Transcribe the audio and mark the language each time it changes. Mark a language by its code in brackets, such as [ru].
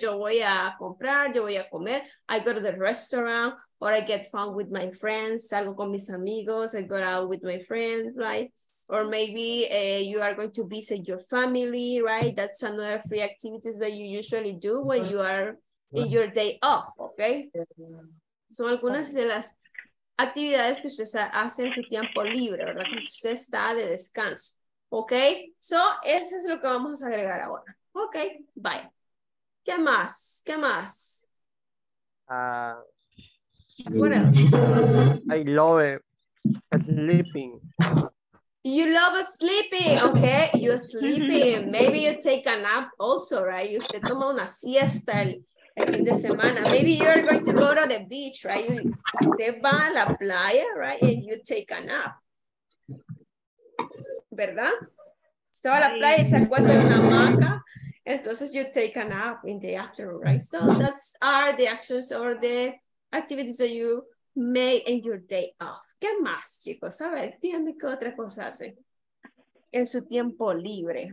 [es] Yo voy a comprar, yo voy a comer. [en] I go to the restaurant or I get fun with my friends. [es] Salgo con mis amigos. [en] I go out with my friends, right? Or maybe you are going to visit your family, right? That's another free activities that you usually do when you are y your day off, ¿ok? [es] Son algunas de las actividades que usted hace en su tiempo libre, ¿verdad? Que usted está de descanso, ¿ok? So, eso es lo que vamos a agregar ahora. Ok, bye. ¿Qué más? ¿Qué más? [en] I love sleeping. You love sleeping, okay? You're sleeping. Maybe you take a nap also, right? [es] Usted toma una siesta el fin de semana. [en] Maybe you're going to go to the beach, right? [es] Usted va a la playa, right? And you take a nap. ¿Verdad? Usted va a la playa y se acuesta en una hamaca. [en] Entonces you take a nap in the afternoon, right? So that's are the actions or the activities that you may in your day off. [es] ¿Qué más, chicos? A ver, dígame qué otra cosa hace en su tiempo libre.